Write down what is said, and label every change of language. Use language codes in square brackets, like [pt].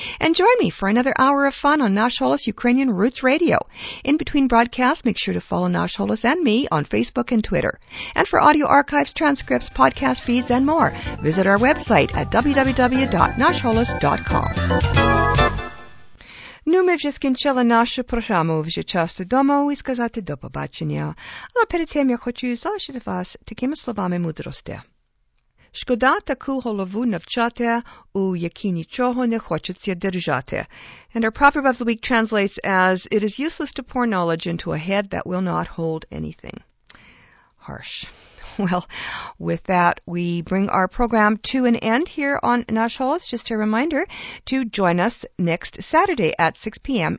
[en] And join me for another hour of fun on Nash Holos Ukrainian Roots Radio. In between broadcasts, make sure to follow Nash Holos and me on Facebook and Twitter. And for audio archives, transcripts, podcast feeds, and more, visit our website at www.nashholos.com. [uk] Ну, ми вже скінчили нашу програму «Вже часто дома» і сказати «До побачення». Але перед тим я хочу залишити вас такими словами мудрості. Шкода таку голову навчати, у якій нічого не хочеться держати. [en] And our proverb of the week translates as «It is useless to pour knowledge into a head that will not hold anything». Harsh. Well, with that, we bring our program to an end here on Nash Holos. Just a reminder to join us next Saturday at 6 p.m.